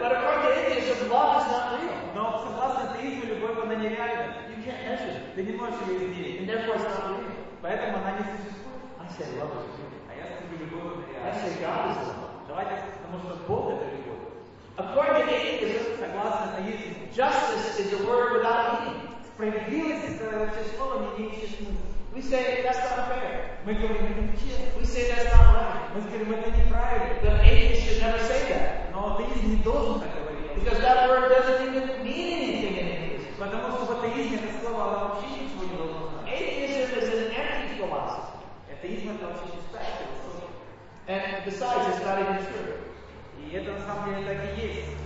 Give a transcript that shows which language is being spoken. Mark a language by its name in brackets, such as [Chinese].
[English] But according to atheism, love is not real. [Russian] Но согласно атеизму, любовь она нереальна. [English] You can't measure. [Russian] Ты не можешь ее измерить. [English] And therefore, it's not real. [Russian] Поэтому она не существует. [English] I say love is real. [Russian] А я скажу, любовь это реальна. [English] I say God is love. [Russian] Давайте, потому что Бог это любовь. [English] According to atheism, [Russian] согласно атеизму, [English] justice is a word without meaning. [Russian] Справедливость это вообще слово не имеющее смысла. [English] We say that's not fair. [Russian] Мы говорим, это нечестно. [English] We say that's not right. [Russian] Мы говорим, это неправильно. [English] But atheists should never say that. [Russian] Но атеист не должен так говорить. [English] Because that word doesn't even mean anything in English. [Russian] Потому что в атеизме это слово вообще ничего не должно значить. [English] Atheism is an empty philosophy. [Russian] Атеизм это вообще не спасает. [English] And besides, it's not even true. [Russian] И это на самом деле так и есть.